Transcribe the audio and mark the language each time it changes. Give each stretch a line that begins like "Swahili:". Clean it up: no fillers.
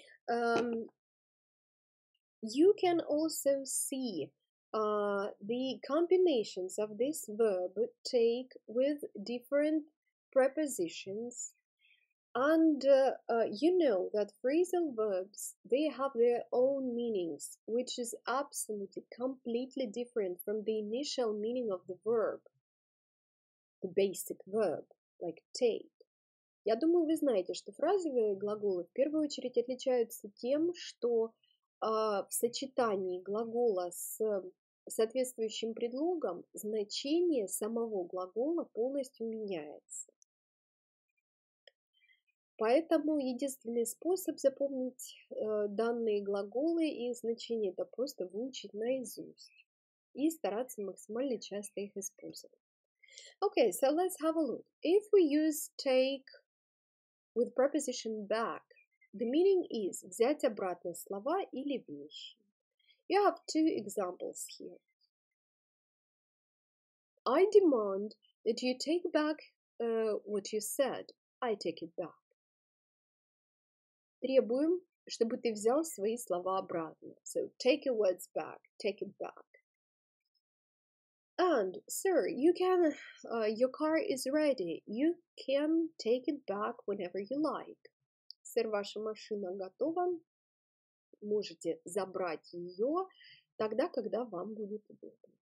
English: You can also see the combinations of this verb take with different prepositions. And you know that phrasal verbs, they have their own meanings, which is absolutely completely different from the initial meaning of the verb, the basic verb, like take.
Russian: Я думаю, вы знаете, что фразовые глаголы в первую очередь отличаются тем, что в сочетании глагола с соответствующим предлогом значение самого глагола полностью меняется. Поэтому единственный способ запомнить данные глаголы и значение – это просто выучить наизусть и стараться максимально часто их использовать.
English: Okay, so let's have a look. If we use take with preposition back, the meaning is
Russian: взять обратно слова или вещи.
English: You have two examples here. I demand that you take back what you said. I take it back.
Russian: Требуем, чтобы ты взял свои слова обратно.
English: So, take your words back. Take it back. And, sir, you can... your car is ready. You can take it back whenever you like.
Russian: Сэр, ваша машина готова. Можете забрать ее тогда, когда вам будет удобно.